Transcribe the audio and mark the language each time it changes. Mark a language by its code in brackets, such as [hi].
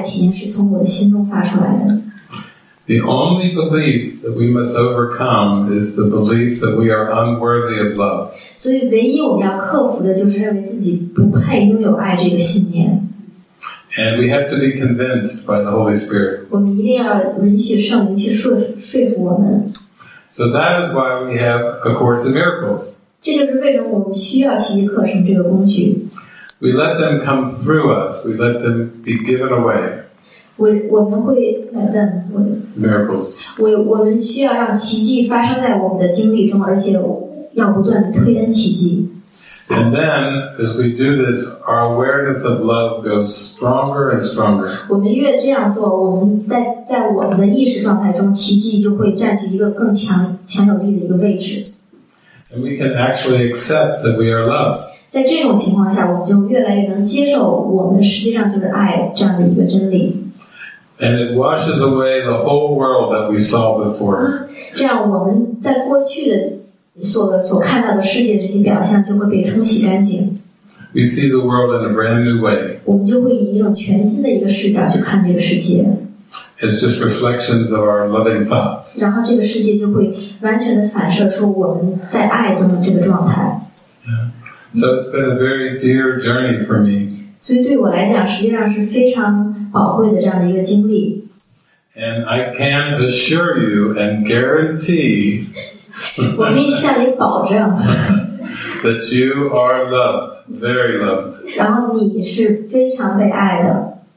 [en] The only belief that we must overcome is the belief that we are unworthy of love. [zh] 所以唯一我们要克服的就是认为自己不配拥有爱这个信念。 [en] And we have to be convinced by the Holy Spirit. [zh] 我们一定要允许圣灵去说服我们。 [en] So that is why we have A Course in Miracles. [zh] 这就是为什么我们需要奇迹课程这个工具。 [en] We let them come through us. We let them be given away. [zh] 我们需要让奇迹发生在我们的经历中，而且要不断推恩奇迹。 [en] And then, as we do this, our awareness of love goes stronger and stronger. [zh] 我们越这样做，我们在我们的意识状态中，奇迹就会占据一个更强有力的一个位置。 [en] And we can actually accept that we are love. [zh] 在这种情况下，我们就越来越能接受我们实际上就是爱这样的一个真理。 [en] And it washes away the whole world that we saw before. [zh] 这样我们在过去的所看到的世界这些表象就会被冲洗干净。 [en] We see the world in a brand new way. [zh] 我们就会以一种全新的一个视角去看这个世界。 [en] It's just reflections of our loving thoughts. [zh] 然后这个世界就会完全的反射出我们在爱中的这个状态。 [en] So it's been a very dear journey for me. [zh] 所以对我来讲实际上是非常宝贵的这样的一个经历。 [en] And I can assure you and guarantee [zh] 我可以向你保证 [en] that you are loved, very loved. [zh] 然后你是非常被爱的。